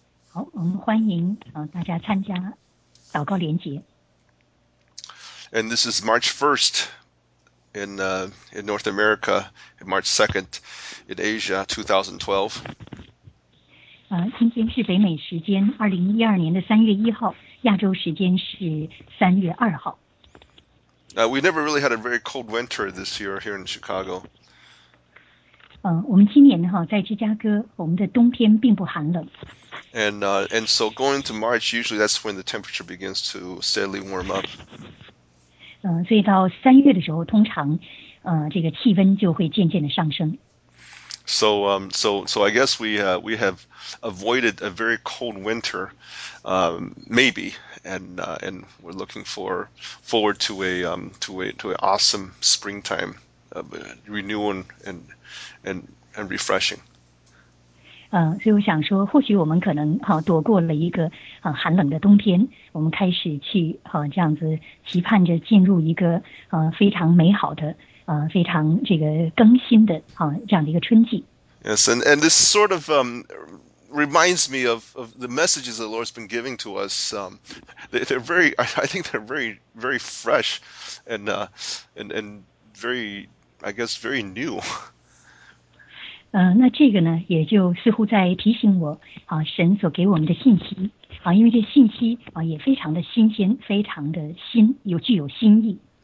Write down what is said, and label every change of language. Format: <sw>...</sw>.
<zh>好，我们欢迎大家参加祷告连结。</zh> <en>And this is March 1st in North America, and March 2nd in Asia, 2012.</en> <zh>今天是北美时间2012年的3月1号，亚洲时间是3月2号。</zh> <en>We never really had a very cold winter this year here in Chicago.</en> <zh>我们今年哈在芝加哥，我们的冬天并不寒冷。</zh> <en>And so going to March, usually that's when the temperature begins to steadily warm up.</en> <zh>所以到3月的时候，通常，这个气温就会渐渐的上升。</zh> <en>So I guess we have avoided a very cold winter, maybe, and we're looking for forward to an awesome springtime of renewing and refreshing.</en> <zh>所以我想说，或许我们可能躲过了一个寒冷的冬天，我们开始去这样子期盼着进入一个非常美好的非常这个更新的这样的一个春季。</zh> <en>Yes, and this sort of reminds me of the messages the Lord's been giving to us. They're very, I think they're very, very fresh, and very, I guess, very new.</en> <zh>那这个呢，也就似乎在提醒我，神所给我们的信息，因为这信息也非常的新鲜，非常的新，有具有新意。</zh>